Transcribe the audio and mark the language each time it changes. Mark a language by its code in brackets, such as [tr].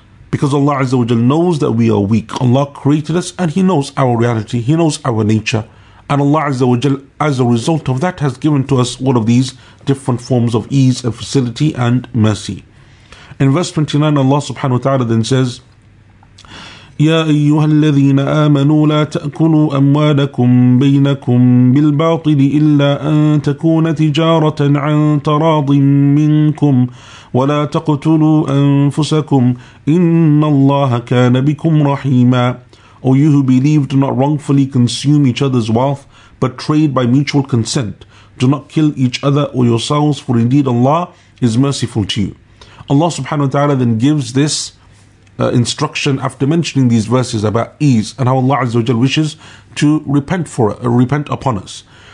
[en] Because Allah Azza wa Jalla knows that we are weak. Allah created us and He knows our reality. He knows our nature. And Allah Azza wa Jalla, as a result of that, has given to us all of these different forms of ease and facility and mercy. In verse 29, Allah subhanahu wa ta'ala then says, [ar] يا أيها الذين آمنوا لا تأكلوا أموالكم بينكم بالباطل إلا أن تكون تجارة عن تراض منكم ولا تقتلوا أنفسكم إن الله كان بكم رحيما. [en] O you who believe, do not wrongfully consume each other's wealth, but trade by mutual consent. Do not kill each other or yourselves, for indeed Allah is merciful to you. Allah subhanahu wa ta'ala then gives this instruction after mentioning these verses about ease and how Allah Azza wa Jal wishes to repent for it, repent upon us.